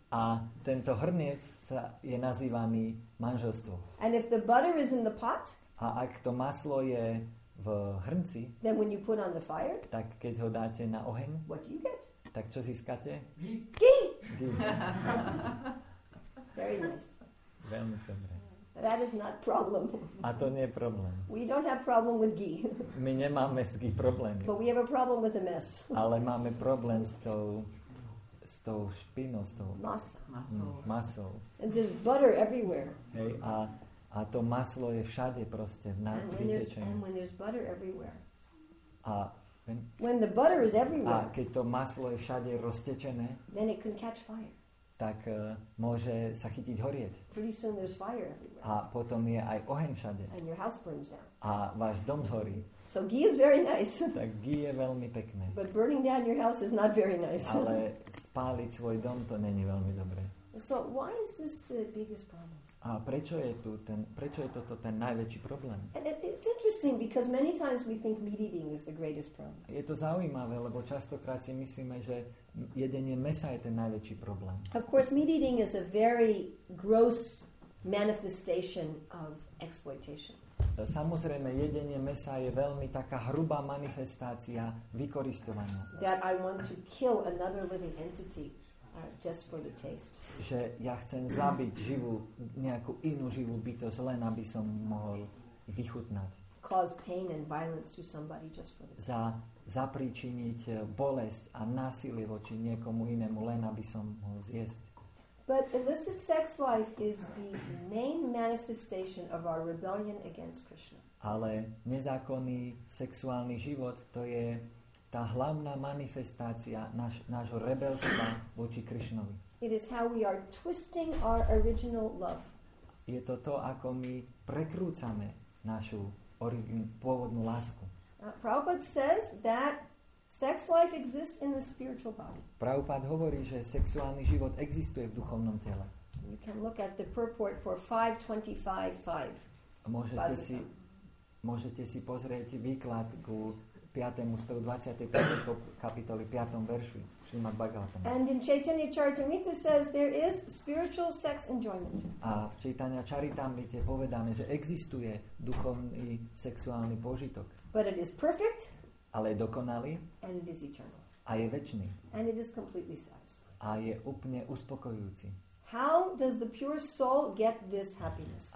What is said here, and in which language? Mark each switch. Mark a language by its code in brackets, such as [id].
[sk] A tento hrniec sa je nazývaný manželstvo. [en] And if the butter is in the pot? [sk] A ak to maslo je v hrnci, [en] then when you put on the fire, [sk] tak keď ho dáte na oheň, [en] what do you get? [sk] Tak čo získate? [en] Ghee! Very nice. [sk] Veľmi dobre. [en] That is not problem. [sk] A to nie je problém. [en] We don't have problem with ghee. [sk] My nemáme s ghee problémy. [en] But we have a problem with a mess. [sk] Ale máme problém s tou špinou, s tou masou. [en] And just butter everywhere. [sk] Hej, a to maslo je všade proste vytečené. [en] And when there's butter everywhere. When the butter is everywhere. [sk] A keď to maslo je všade roztečené. [en] Then it can catch fire. [sk] Tak môže sa chytiť horieť. [en] Pretty soon there's fire everywhere. [sk] A potom je aj oheň všade. [en] And your house burns down. [sk] A váš dom zhorí. [en] So ghee is very nice. [sk] Tak ghee je veľmi pekné. [en] But burning down your house is not very nice. [sk] Ale spáliť svoj dom to není veľmi dobré. [en] So why is this the biggest problem? [sk] A prečo je toto ten najväčší problém? [en] It's interesting because many times we think meat eating is the greatest problem. [sk] Je to zaujímavé, lebo častokrát si myslíme, že jedenie mäsa je ten najväčší problém. [en] Of course, meat eating is a very gross manifestation of exploitation. [sk] Samozrejme, jedenie mäsa je veľmi taká hrubá manifestácia vykorisťovania. [en] That I want to kill another living entity. Just for the taste. [sk] Že ja chcem zabiť živú, nejakú inú živú bytosť, len aby som mohol vychutnať. [en] Cause pain and violence to somebody just for the taste. [sk] Zapríčiniť bolesť a násilie voči niekomu inému, len aby som mohol zjesť. [en] But illicit sex life is the main manifestation of our rebellion against Krishna. [sk] Ale nezákonný sexuálny život, to je tá hlavná manifestácia nášho rebelstva voči Krišnovi. [en] It is how we are twisting our original love. [sk] Je to to, ako my prekrúcame našu pôvodnú lásku. [en] Prabhupada says that sex life exists in the spiritual body. [sk] Prabhupada hovorí, že sexuálny život existuje v duchovnom tele. [en] You can look at the purport for 525.5. [sk] Môžete si pozrieť výklad ku 5. z 25. kapitoly 5. veršu Srimad Bhagavatam. [en] And in Chaitanya Charitamrita says there is spiritual sex enjoyment. [sk] A v Chaitanya Charitamrite povedané, že existuje duchovný sexuálny požitok. [en] But it is perfect. [sk] Ale je dokonalý. [en] And it is eternal. [sk] A je večný. [en] And it is completely satisfying. [sk] A je úplne uspokojujúci. [en] How does the pure soul get this happiness?